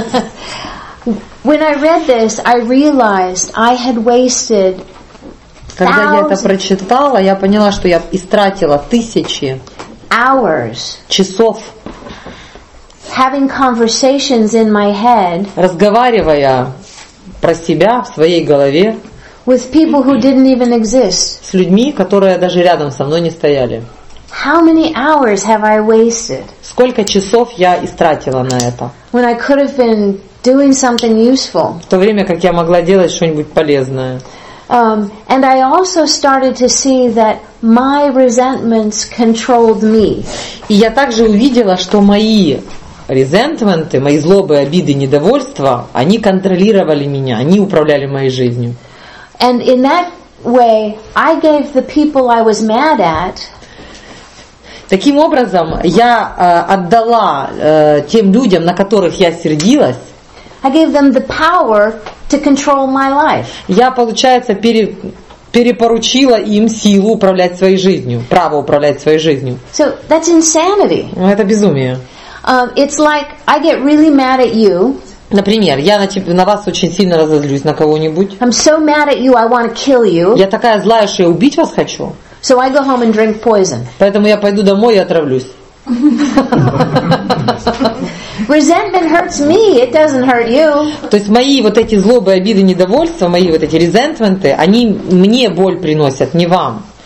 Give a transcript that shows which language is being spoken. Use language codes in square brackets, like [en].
[en] When I read this, I realized I had wasted. [ru] Когда я это прочитала, я поняла, что я истратила тысячи часов, [en] having conversations in my head, [ru] разговаривая про себя в своей голове [en] with people who didn't even exist. [ru] С людьми, которые даже рядом со мной не стояли. [en] How many hours have I wasted? [ru] Сколько часов я истратила на это? [en] When I could have been doing something useful. [ru] В то время, как я могла делать что-нибудь полезное. [en] And I also started to see that my resentments controlled me. [ru] И я также увидела, что мои резентменты, мои злобы, обиды, недовольства, они контролировали меня, они управляли моей жизнью. [en] And in that way, I gave the people I was mad at. [ru] Таким образом, я отдала тем людям, на которых я сердилась. [en] I gave them the power to control my life. [ru] Я, получается, перепоручила им силу управлять своей жизнью, право управлять своей жизнью. [en] So that's insanity. [ru] Ну, это безумие. [en] It's like I get really mad at you. [ru] Например, я на вас очень сильно разозлюсь, на кого-нибудь. [en] I'm so mad at you, I want to kill you. [ru] Я такая злая, что я убить вас хочу. [en] So I go home and drink poison. [ru] Поэтому я пойду домой и отравлюсь. [en] Resentment hurts me, it doesn't hurt you. [ru] То есть мои вот эти злобы, обиды, недовольства, мои вот эти резентменты, они мне боль приносят, не вам.